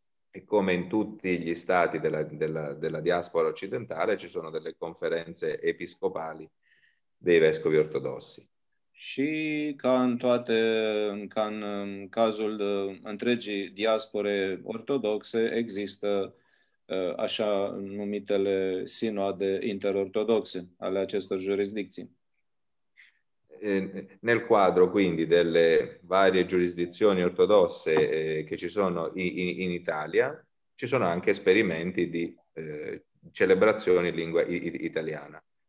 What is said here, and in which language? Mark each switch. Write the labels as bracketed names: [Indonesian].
[Italian] E come in tutti gli stati della diaspora occidentale ci sono delle conferenze episcopali dei vescovi ortodossi. [Romanian] Și ca în toate, ca în cazul întregii diaspore ortodoxe, există așa numitele sinoade interortodoxe ale acestor jurisdicții. [Italian] Nel quadro quindi delle varie giurisdizioni ortodosse che ci sono in Italia, ci sono anche esperimenti di celebrazioni in lingua italiana.